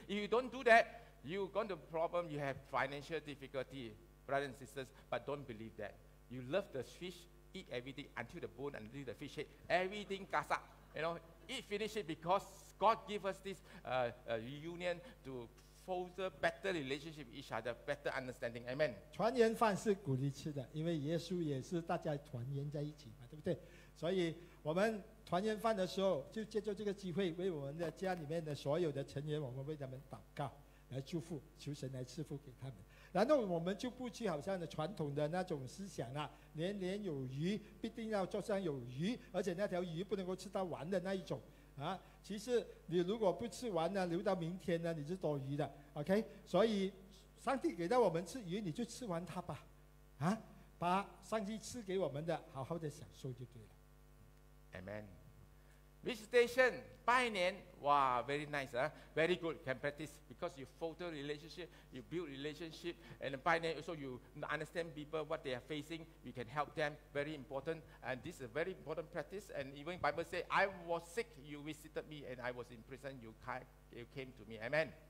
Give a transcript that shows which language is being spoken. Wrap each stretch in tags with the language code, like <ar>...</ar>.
<en>If you don't do that, you're going to problem, you have financial difficulty, brothers and sisters, but don't believe that. You love the fish, eat everything until the bone, until the fish head, everything kasa. You know, eat, finish it, because God gave us this reunion to foster a better relationship with each other, better understanding. Amen.</en> <zh>团圆饭是鼓励吃的, 因为耶稣也是大家团圆在一起嘛，对不对？所以我们团圆饭的时候, 就借助这个机会, 为我们的家里面的所有的成员, 我们为他们祷告, 来祝福, 求神来赐福给他们。然后我们就不去好像传统的那种思想啊，年年有余，必定要做像有余，而且那条鱼不能够吃到完的那一种啊。其实你如果不吃完呢，留到明天呢，你是多余的。OK，所以上帝给到我们吃鱼，你就吃完它吧，啊，把上帝赐给我们的好好的享受就对了。Amen.</zh> <en>Visitation, 拜年, wow, very nice, huh? Very good, can practice, because you foster relationship, you build relationship, and 拜年, also you understand people, what they are facing, you can help them, very important, and this is a very important practice, and even Bible say, I was sick, you visited me, and I was in prison, you came to me, amen.</en>